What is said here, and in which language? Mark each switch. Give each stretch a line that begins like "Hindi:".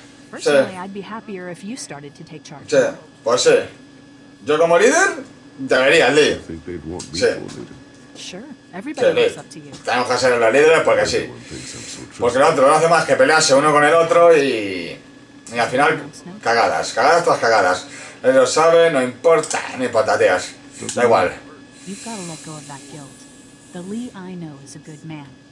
English: Personally, I'd be happier if you started to take charge.
Spanish: Sí, pues sí. Yo como líder, debería, Lee. Sí.
English: Sure, everybody looks up to you.
Spanish: Tenemos que ser los líderes porque sí. Porque el otro no hace más que pelearse uno con el otro y al final, cagadas. Él lo sabe, no importa, tías. Da igual.
English: You've got to let go of that guilt. The Lee I know is a good man.